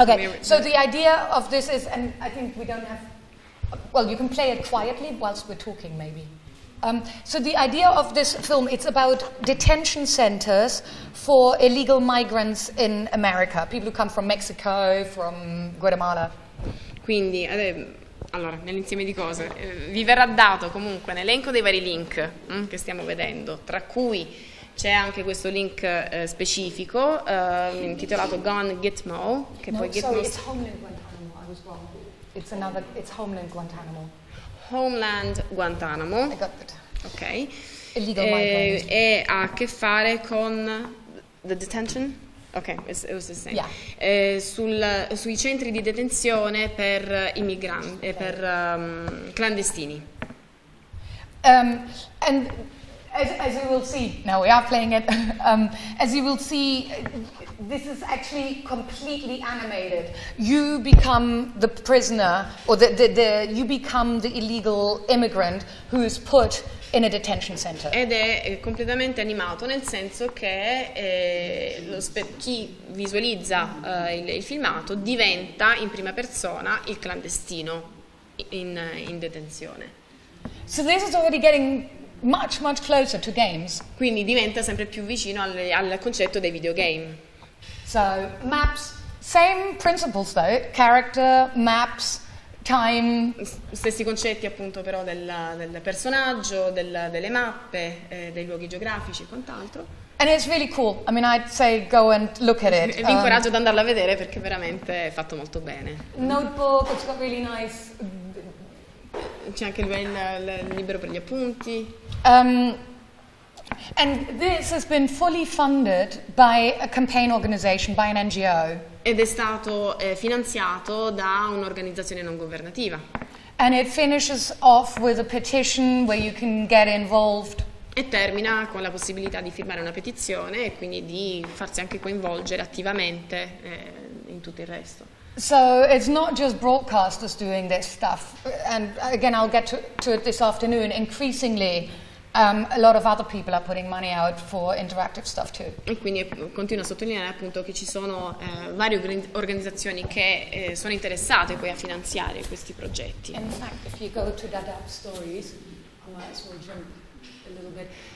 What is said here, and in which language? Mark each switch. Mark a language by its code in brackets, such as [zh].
[en] Okay, so the idea of this is, and I think we don't have... Well, you can play it quietly whilst we're talking, maybe. So the idea of this film, it's about detention centers for illegal migrants in America, people who come from Mexico, from Guatemala. [it] Quindi, allora, nell'insieme di cose, vi verrà dato comunque un elenco dei vari link che stiamo vedendo, tra cui c'è anche questo link specifico intitolato Gone Gitmo. Che no, poi [en] sorry, it's Homeland Guantanamo, I was wrong. It's Homeland Guantanamo. Homeland Guantanamo. I got that. Ok. Illegal migrant. [it] E ha a che fare con [en] the detention? Ok, it was the same. Yeah. [it] Sui centri di detenzione per immigranti, per clandestini. [en] And As you will see, now we are playing it. As you will see, this is actually completely animated. You become the prisoner, or the you become the illegal immigrant who is put in a detention center. [it] Ed è completamente animato, nel senso che chi visualizza il filmato diventa in prima persona il clandestino in detenzione. [en] So this is already getting much, much closer to games. [it] Quindi diventa sempre più vicino al concetto dei videogame. [en] So, maps, same principles though, character, maps, time. [it] Stessi concetti appunto però del personaggio, delle mappe, dei luoghi geografici e quant'altro. [en] And it's really cool, I mean I'd say go and look at it. [it] E vi incoraggio ad andarla a vedere perché veramente è fatto molto bene. [en] Notebook, it's got really nice... [it] C'è anche lui il libro per gli appunti. [en] And this has been fully funded by a campaign organization, by an NGO. [it] Ed è stato finanziato da un'organizzazione non governativa. [en] And it finishes off with a petition where you can get involved. [it] E termina con la possibilità di firmare una petizione e quindi di farsi anche coinvolgere attivamente in tutto il resto. [en] So it's not just broadcasters doing this stuff, and again I'll get to it this afternoon, increasingly a lot of other people are putting money out for interactive stuff too. [it] E quindi continuo a sottolineare appunto che ci sono varie organizzazioni che sono interessate poi a finanziare questi progetti. [en] In fact, if you go to that app stories, I might as well jump a little bit.